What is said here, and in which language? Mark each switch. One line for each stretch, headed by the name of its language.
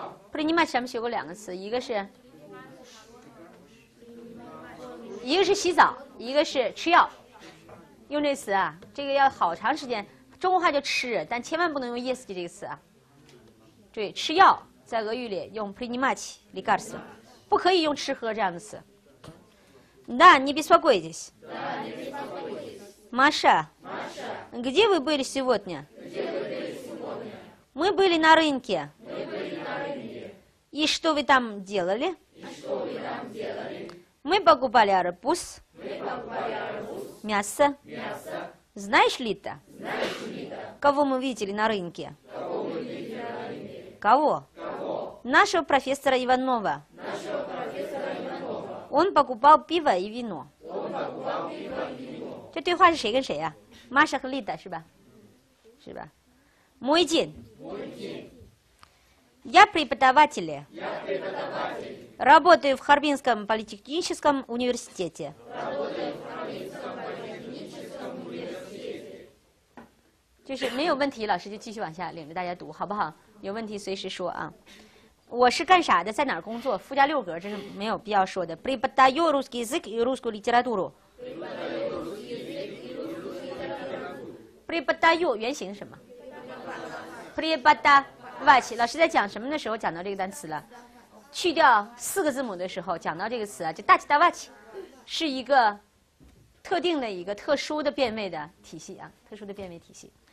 Russian: Принимать, сейчас мы
Chinese: 学过两个词，一个是洗澡，一个是吃药。用这词啊，这个要好长时间。中国话叫吃，但千万不能用 yes 这个词啊。对，吃药在俄语里用
Russian: принимать лекарства，
Chinese: 不可以用吃喝这样的词。
Russian: Да, не беспокойтесь. Маша, где вы были сегодня? Мы были на рынке. И что вы там делали? Мы покупали арбуз, мясо. Знаешь ли ты, кого мы видели на рынке? Кого? Нашего профессора Иванова. Он покупал пиво и вино.
Chinese: 这对话是谁跟谁呀？玛莎和丽达是吧？是吧？
Russian: Мой день. Я преподаватель. Работаю в Харбинском политехническом университете. Работаю в Харбинском политехническом университете.
Chinese: 就是没有问题，老师就继续往下领着大家读，好不好？有问题随时说啊。我是干啥的，在哪儿工作，附加六格，这是没有必要说的。
Russian: Преподаю русский язык и русскую литературу。
Chinese: Преподаю 原型什么 ？Преподавать 老师在讲什么的时候讲到这个单词了？去掉四个字母的时候讲到这个词啊，就大吉大瓦奇，是一个特定的一个特殊的变位的体系啊，特殊的变位体系。